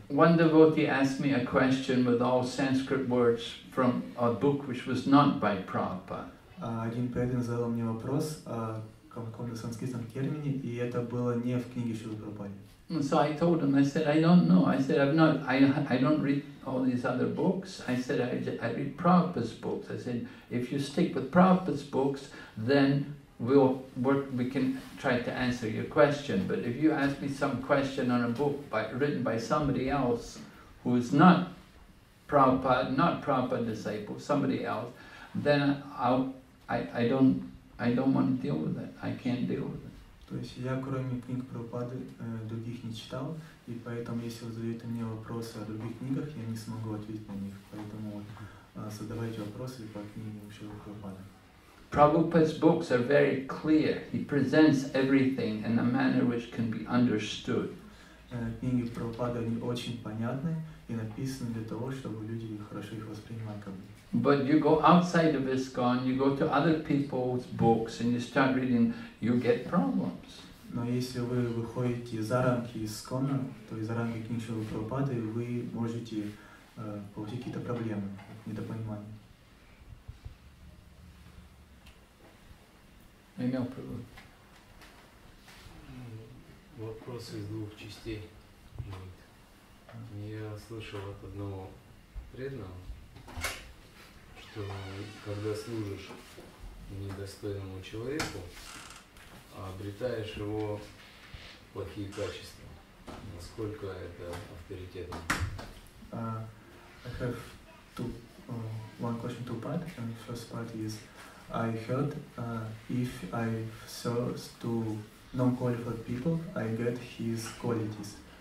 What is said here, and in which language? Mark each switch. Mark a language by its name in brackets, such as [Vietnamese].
[English] One devotee asked me a question with all Sanskrit words from a book which was not by Prabhupada. [Russian] Один преданный задал мне вопрос о каком-то санскритском термине, и это было не в книге Шрилы Прабхупады. [English] And so I told him, I said, I don't know. I said, I don't read all these other books. I said, I read Prabhupada's books. I said, if you stick with Prabhupada's books, then we can try to answer your question. But if you ask me some question on a book written by somebody else who is not Prabhupada, not Prabhupada disciple, somebody else, then I don't want to deal with it. I can't deal with it. [Russian] То есть я кроме книг Прабхупады других не читал, и поэтому если вы задаете мне вопросы о других книгах, я не смогу ответить на них. Поэтому задавайте вопросы по книгам Шрилы Прабхупады. [English] Prabhupada's books are very clear. He presents everything in a manner which can be understood. [Russian] Книги Прабхупады они очень понятны и написаны для того, чтобы люди хорошо их воспринимали. Как бы. [English] But you go outside of ISKCON, you go to other people's books, and you start reading, you get problems. [Russian] Но если вы выходите за рамки ISKCON, то из рамки книг Шрилы Прабхупады вы можете получить какие-то проблемы, недопонимание. Имел привод. Вопрос из двух частей. Я слышал от одного преданного, что когда служишь недостойному человеку, обретаешь его плохие качества. Насколько это авторитетно? [English] I have one question to part, and the first part is I heard if I serve to non-qualified people, I get his qualities.